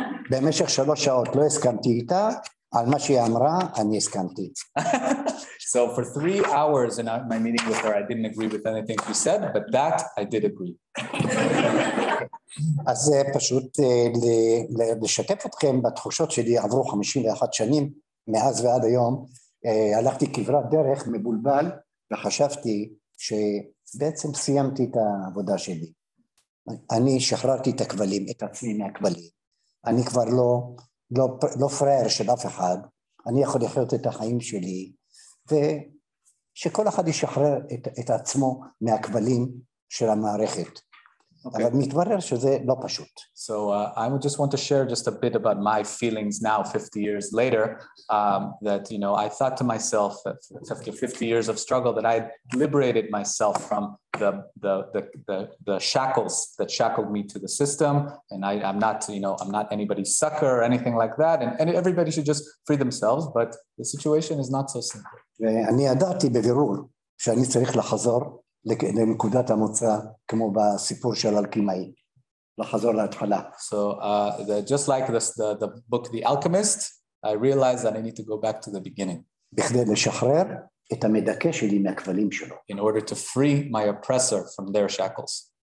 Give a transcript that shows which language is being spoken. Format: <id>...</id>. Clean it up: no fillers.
<he>במשך שלוש שעות לא הסכמתי איתה. על מה שהיא אמרה, אני הסכמתי.</he> <en>So for 3 hours in my meeting with her, I didn't agree with anything she said, but that I did agree.</en> <he>אז פשוט לשתף אתכם בתחושות שלי, עברו 51 שנים מאז ועד היום, הלכתי כברת דרך מבולבל, וחשבתי שבעצם סיימתי את העבודה שלי. אני שחררתי את הכבלים, את עצמי מהכבלים. אני כבר לא פרייר של אף אחד, אני יכול לחיות את החיים שלי, ושכל אחד ישחרר את עצמו מהכבלים של המערכת.</he> <en>Okay. So I would just want to share just a bit about my feelings now, 50 years later, that, you know, I thought to myself after 50 years of struggle that I had liberated myself from the shackles that shackled me to the system. And I'm not anybody's sucker or anything like that. And everybody should just free themselves. But the situation is not so simple.</en> <he>אני ידעתי בבירור שאני צריך לחזור לנקודת המוצא, כמו בסיפור של אלכימאי, לחזור להתחלה.</he> <en>So just like the book The Alchemist, I realized that I need to go back to the beginning.</en> <he>בכדי לשחרר את המדכא שלי מהכבלים שלו.</he> <en>In order to free my oppressor from their shackles.</en>